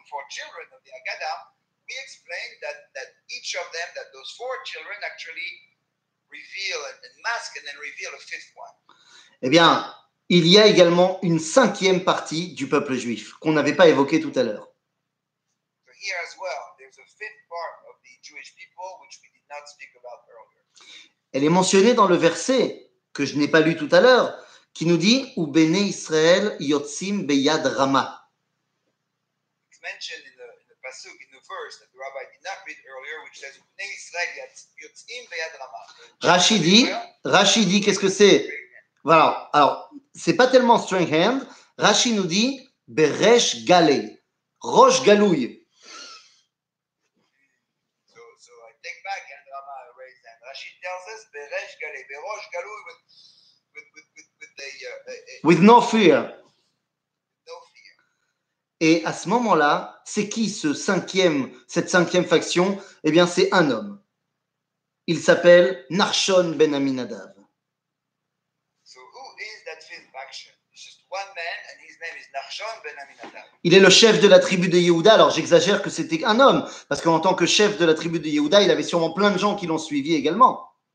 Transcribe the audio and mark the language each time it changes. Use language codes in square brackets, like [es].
[en] Children of the Agada, we explained that each of them, that those four children actually reveal and mask and then reveal a fifth one. [fr] Eh bien, il y a également une cinquième partie du peuple juif qu'on n'avait pas évoqué tout à l'heure. [en] So here as well, there's a fifth part of the Jewish people which we did not speak about earlier. [fr] Elle est mentionnée dans le verset que je n'ai pas lu tout à l'heure, qui nous dit « [he] Ubene Israël yotzim beyad rama ». [en] Mentioned in the pasuk in the verse that the rabbi did not read earlier, which says [he] "Bnei Israel yotzim beyad rama." [fr] Rashi dit, qu'est-ce que c'est? Voilà. Alors, c'est pas tellement [en] strong hand. [fr] Rashi nous dit [he] "Beresh galay, roche galouille." [en] So I take back and rama raised hand. Rashi tells us [he] "Beresh galay, beresh galouille," [en] with no fear. [fr] Et à ce moment-là, c'est qui cette cinquième faction? Eh bien, c'est un homme. Il s'appelle Nachshon ben Aminadav. [en] So who is that fifth faction? It's just one man, and his name is Nachshon ben Aminadav. [fr] Il est le chef de la tribu de Yehuda. Alors, j'exagère que c'était un homme, parce qu'en tant que chef de la tribu de Yehuda, il avait sûrement plein de gens qui l'ont suivi également.